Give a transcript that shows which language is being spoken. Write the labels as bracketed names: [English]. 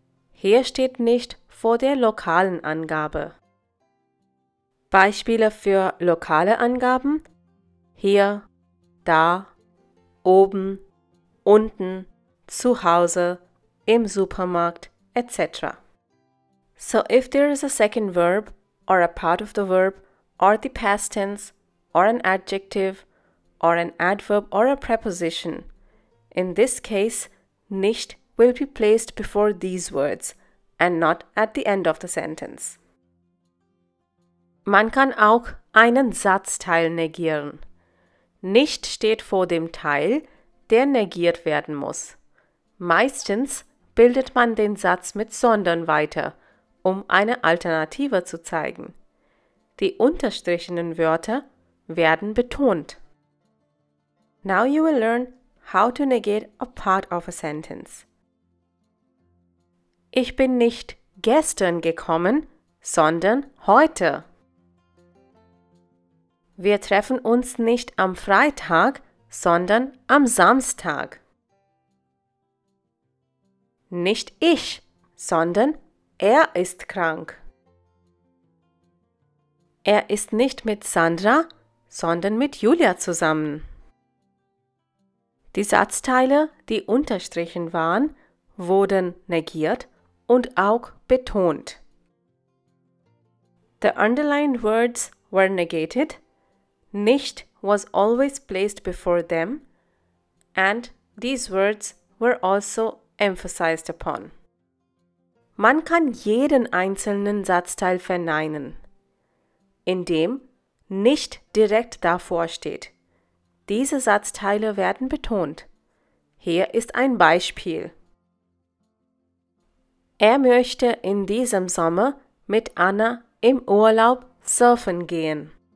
[German] Hier steht nicht vor der lokalen Angabe. Beispiele für lokale Angaben? Hier, da, oben, unten, zu Hause, im Supermarkt, etc. [English] So if there is a second verb or a part of the verb or the past tense or an adjective or an adverb or a preposition, in this case, nicht will be placed before these words and not at the end of the sentence. [German] Man kann auch einen Satzteil negieren. Nicht steht vor dem Teil, der negiert werden muss. Meistens bildet man den Satz mit sondern weiter, um eine Alternative zu zeigen. Die unterstrichenen Wörter werden betont. [English] Now you will learn how to negate a part of a sentence. [German] Ich bin nicht gestern gekommen, sondern heute. Wir treffen uns nicht am Freitag, sondern am Samstag. Nicht ich, sondern er ist krank. Er ist nicht mit Sandra, sondern mit Julia zusammen. Die Satzteile, die unterstrichen waren, wurden negiert und auch betont. [English] The underlined words were negated, nicht was always placed before them, and these words were also emphasized upon. [German] Man kann jeden einzelnen Satzteil verneinen, indem nicht direkt davor steht. Diese Satzteile werden betont. Hier ist ein Beispiel. Er möchte in diesem Sommer mit Anna im Urlaub surfen gehen.